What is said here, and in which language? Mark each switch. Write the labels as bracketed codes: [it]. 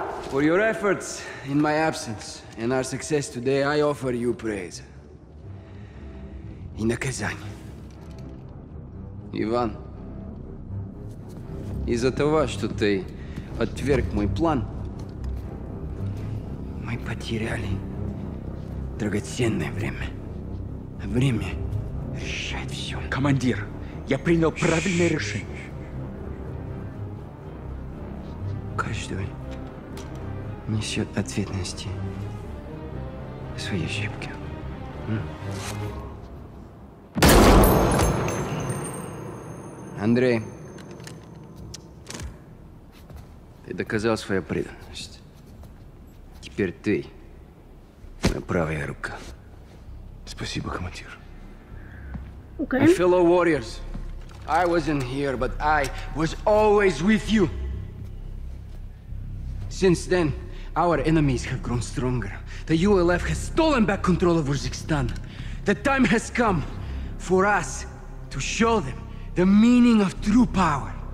[en] For your efforts in my absence and our success today, I offer you praise. [ru] И наказание. Иван, из-за того, что ты отверг мой план, мы потеряли драгоценное время. Время решает все. Командир, я принял правильное решение. Каждый несет ответственности за свои ошибки. Андрей, ты доказал свою преданность. Теперь ты моя правая рука. Спасибо, командир. [en] Okay. My fellow warriors, I wasn't here, but I was always with you. Since then, our enemies have grown stronger. The ULF has stolen back control of Uzbekistan. The time has come for us to show them the meaning of true power.